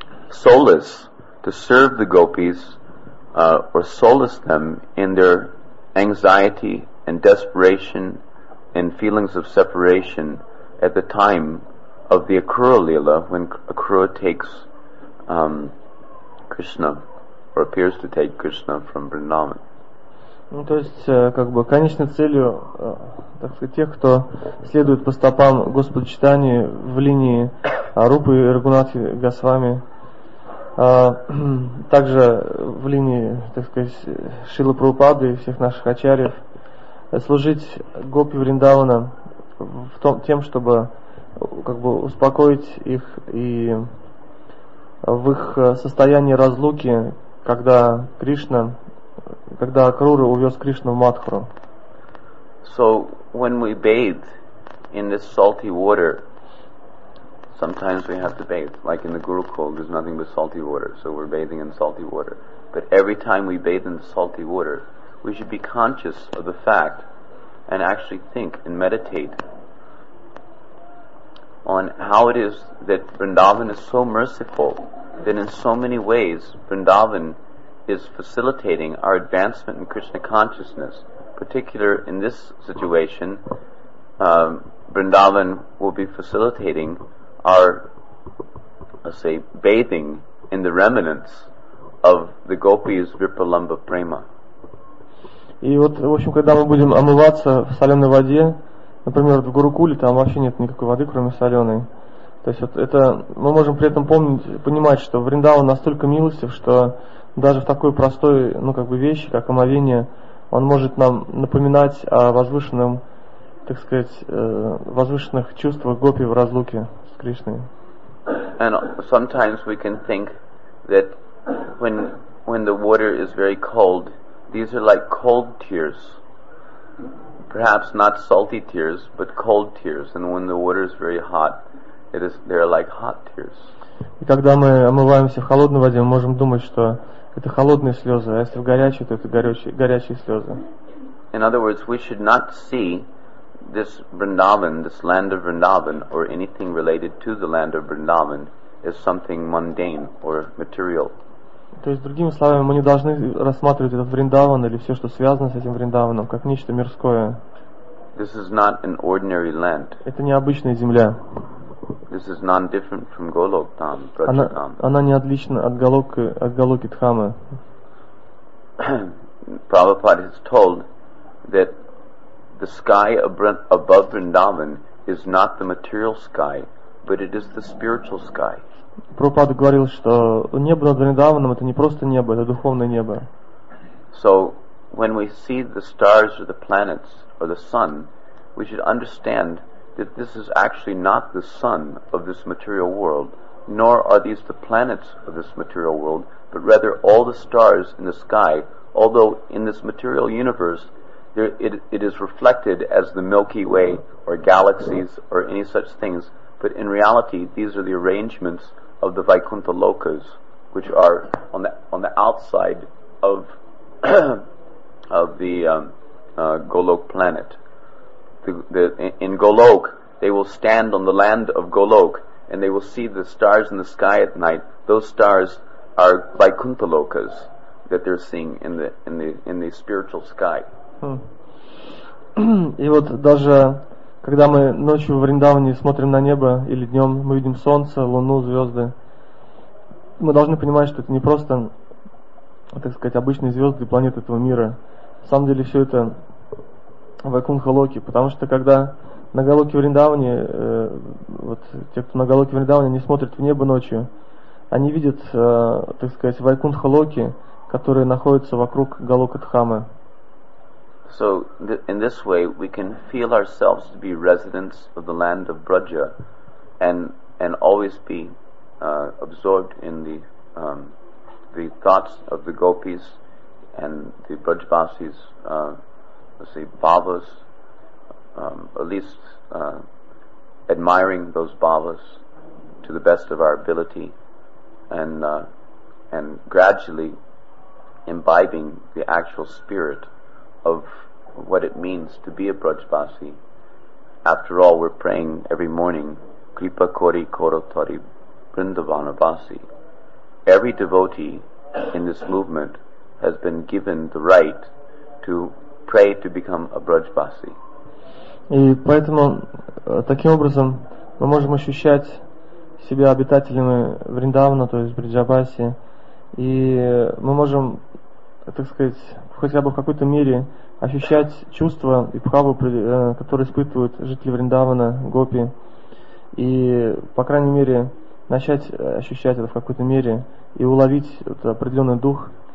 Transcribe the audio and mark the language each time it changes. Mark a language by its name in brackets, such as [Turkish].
[English] solace to serve the gopis or solace them in their anxiety and desperation and feelings of separation at the time of the Akura Leela, when Akura takes Krishna, or appears to take Krishna from Vrindavan. [Russian] Ну, то есть, как бы, конечной целью, так сказать, тех, кто следует по стопам Господа Читания в линии Рупы и Рагунатхи Госвами, также в линии, так сказать, Шрилы Прабхупады и всех наших ачарьев, служить Гопи Вриндавана в том, тем, чтобы как бы успокоить их и в их состоянии разлуки, когда Кришна, когда Акрура увез Кришну в Матхуру. [English] So when we bathe in this salty water, sometimes we have to bathe, like in the Gurukul, there's nothing but salty water, so we're bathing in salty water. But every time we bathe in salty water, we should be conscious of the fact and actually think and meditate on how it is that Vrindavan is so merciful, that in so many ways Vrindavan is facilitating our advancement in Krishna consciousness. Particularly in this situation, Vrindavan will be facilitating our, let's say, bathing in the remnants of the gopis Vipralamba Prema. [Russian] И вот, в общем, когда мы будем омываться в соленой воде, например, в Гурукуле, там вообще нет никакой воды, кроме соленой. То есть вот это мы можем при этом помнить, понимать, что Вриндаван настолько милостив, что даже в такой простой, ну как бы вещи, как омовение, он может нам напоминать о возвышенном, так сказать, возвышенных чувствах гопи в разлуке с Кришной. [English] And sometimes we can think that when the water is very cold, these are like cold tears. Perhaps not salty tears, but cold tears. And when the water is very hot, they are like hot tears. [Russian] И когда мы омываемся в холодной воде, мы можем думать, что это холодные слезы, а если в горячей, то это горячие слезы. [English] In other words, we should not see this Vrindavan, this land of Vrindavan, or anything related to the land of Vrindavan, as something mundane or material. [Russian] То есть, другими словами, мы не должны рассматривать этот Вриндаван или все, что связано с этим Вриндаваном, как нечто мирское. [English] This is not an ordinary land. [Russian] Это не обычная земля. [English] This is not different from Golok Dham, Brajadham. [Russian] Она не отлична от Голоки Дхамы. [English] Prabhupada has told that the sky above Vrindavan is not the material sky, but it is the spiritual sky. [Russian] Прабхупада говорил, что небо над Вриндаваном это не просто небо, это духовное небо. [English] So when we see the stars or the planets or the sun, we should understand that this is actually not the sun of this material world, nor are these the planets of this material world, but rather all the stars in the sky, although in this material universe there it is reflected as the Milky Way or galaxies or any such things, but in reality these are the arrangements of the Vaikuntha Lokas, which are on the outside of of the Golok planet. In Golok, they will stand on the land of Golok, and they will see the stars in the sky at night. Those stars are Vaikuntha Lokas that they're seeing in the spiritual sky. [Russian] И вот даже когда мы ночью в Вриндаване смотрим на небо или днем мы видим солнце, луну, звезды. Мы должны понимать, что это не просто, так сказать, обычные звезды и планеты этого мира. На самом деле все это Вайкунха Локи, потому что когда на Голоке Вриндаване, вот те, кто на Голоке Вриндаване, они смотрят в небо ночью, они видят, так сказать, Вайкунха Локи, которые находятся вокруг Голока Дхамы. [English] So in this way we can feel ourselves to be residents of the land of Braja and always be absorbed in the thoughts of the gopis and the Brajvasis, let's say bhavas, at least admiring those bhavas to the best of our ability, and gradually imbibing the actual spirit of what it means to be a Brajvasi. After all, we're praying every morning, [Bangla] Kripa Kori Koro Tari Vrindavanavasi. [English] every devotee in this movement has been given the right to pray to become a Brajbasi. [Russian] И поэтому таким образом мы можем ощущать себя обитателями Вриндавана, то есть Бриджабаси, и мы можем, так сказать, хотя бы в какой-то мере ощущать чувства и бхаву, которые испытывают жители Вриндавана, гопи, и, по крайней мере, начать ощущать это в какой-то мере и уловить вот определенный дух.